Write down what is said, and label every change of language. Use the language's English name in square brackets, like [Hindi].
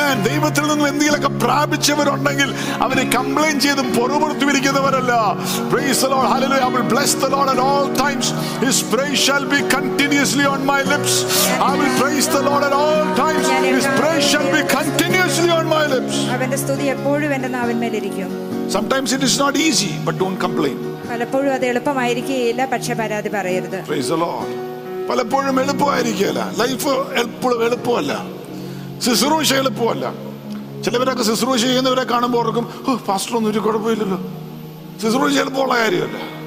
[Malayalam] ദൈവത്തിൽ നിന്ന് എന്തെങ്കിലുമൊക്കെ പ്രാപിച്ചവരുണ്ടെങ്കിൽ അവർ കംപ്ലെയിൻ ചെയ്ത് പൊറുപുറുത്തിരിക്കുന്നവരല്ല. [English] Praise the Lord. Hallelujah. I will bless the Lord at all times. His praise shall be continuously on my lips. I will praise the Lord at all times. His praise shall be continuously on my lips. [Malayalam] അവന്റെ സ്തുതി എപ്പോഴും എന്റെ നാവിൻ മേൽ ഇരിക്കും. [English] Sometimes it is not easy, but don't complain. [Malayalam] പലപ്പോഴും അത് എളുപ്പമായിരിക്കില്ല, പക്ഷേ പരാതി പറയരുത്. [English] Praise the Lord. [Malayalam] പലപ്പോഴും എളുപ്പമായിരിക്കുകയല്ല. ലൈഫ് എപ്പോഴും എളുപ്പമല്ല, ശുശ്രൂഷ എളുപ്പമല്ല. ചിലവരൊക്കെ ശുശ്രൂഷ ചെയ്യുന്നവരെ കാണുമ്പോൾ അവർക്കും ഫാസ്റ്റർ ഒന്നും ഒരു കുഴപ്പമില്ലല്ലോ, ശുശ്രൂഷ എളുപ്പമുള്ള കാര്യമല്ല.